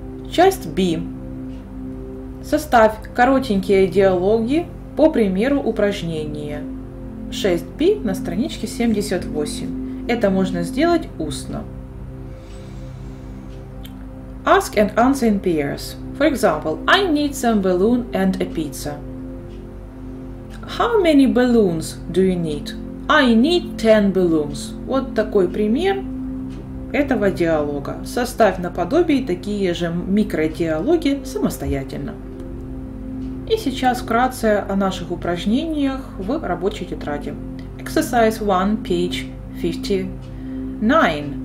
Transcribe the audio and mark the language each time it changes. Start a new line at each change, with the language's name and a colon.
Russian: Часть B. Составь коротенькие диалоги по примеру упражнения. 6b на страничке 78. Это можно сделать устно.
English: Ask and answer in pairs. For example, I need some balloon and a pizza. How many balloons do you need? I need 10 balloons.
Russian: Вот такой пример этого диалога. Составь наподобие такие же микродиалоги самостоятельно. И сейчас вкратце о наших упражнениях в рабочей тетради.
English: Exercise 1, page 59.